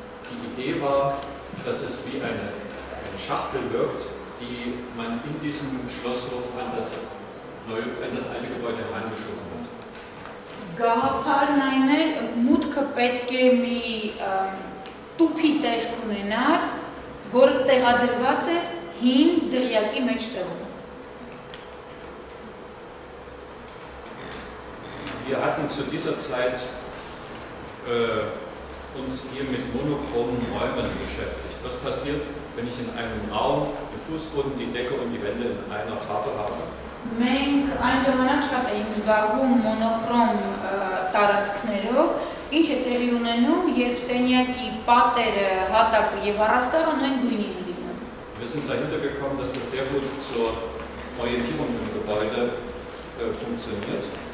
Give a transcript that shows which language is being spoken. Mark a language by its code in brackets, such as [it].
[de] Die Idee war, dass es wie eine Schachtel wirkt, die man in diesem Schlosshof an das neue, an das alte Gebäude herangeschoben hat. [hy] Տուփի տեսք ունենար, որը տեղադրված է հին դղյակի մեջտեղում։ [de] Wir hatten zu dieser Zeit uns hier mit monochromen Räumen beschäftigt. Was passiert, wenn ich in einem Raum den Fußboden, die Decke und die Wände in einer Farbe habe? [hy] Մենք այն ժամանակ շատ էինք զբաղվում մոնոխրոմ տարածքներով, ինչ է տեղի ունենում, երբ սենյակի պատերը, հատակը եւ առաստաղը նույն գույնի են լինում։ [de] Wir sind dahinter gekommen, dass das sehr gut zur Orientierung im Gebäude funktioniert.